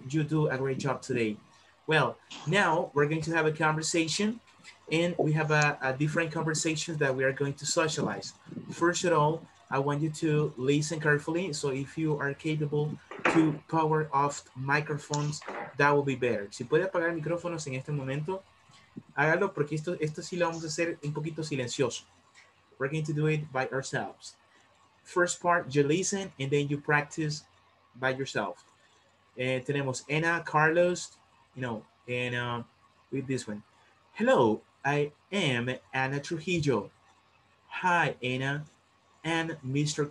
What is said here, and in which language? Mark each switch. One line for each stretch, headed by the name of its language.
English: you do a great job today. Well, now we're going to have a conversation, and we have a different conversation that we are going to socialize. First of all, I want you to listen carefully. So if you are capable to power off microphones, that will be better.
Spanish: Si puede apagar micrófonos en este momento, hágalo porque esto sí lo vamos a hacer un poquito silencioso.
English: We're going to do it by ourselves. First part, you listen, and then you practice by yourself.
Spanish: Tenemos
English: Anna, Carlos, you know, and with this one. Hello, I am Anna Trujillo. Hi, Anna and Mr.